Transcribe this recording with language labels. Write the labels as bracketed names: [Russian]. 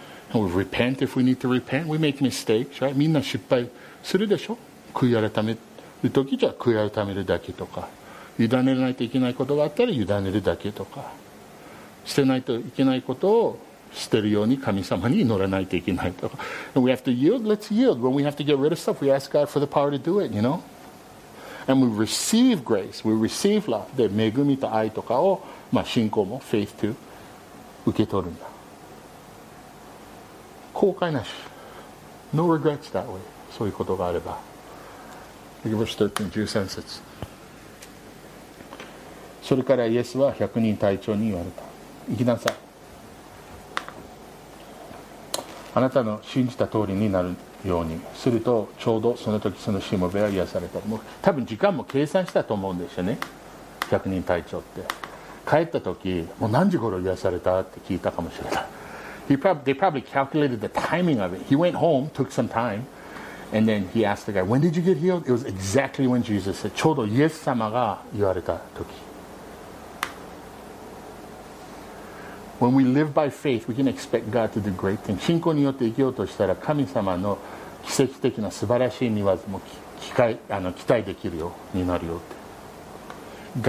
[English] And we repent if we need to repent. We make mistakes, right? [Japanese] みんな失敗するでしょ。悔い改めるときじゃ悔い改めるだけとか、委ねないといけないことがあったら委ねるだけとか、捨てないといけないことを捨てるように神様に祈らないといけないとか。 [English] And we have to yield, let's yield. When we have to get rid of stuff, we ask God for the power to do it, you know? And we receive grace, we receive love. [Japanese] で、恵みと愛とかを、まあ、信仰も [English] faith too [Japanese] 受け取るんだ。後悔なし。 [English] No regrets that way. [Japanese] そういうことがあれば。 [English] Verse 13, 13節。 [Japanese] それからイエスは百人隊長に言われた。行きなさい。あなたの信じた通りになるように。するとちょうどその時そのしもべは癒された。もう多分時間も計算したと思うんですよね、百人隊長って。帰った時もう何時頃癒されたって聞いたかもしれない。 [English] They probably calculated the timing of it. He went home, took some time, and then he asked the guy, when did you get healed? It was exactly when Jesus said. [Japanese] ちょうどイエス様が言われた時。 [English] When we live by faith, we can expect God to do great things. [Japanese] 信仰によって生きようとしたら、神様の奇跡的な素晴らしい御業も期待できるようになるよって。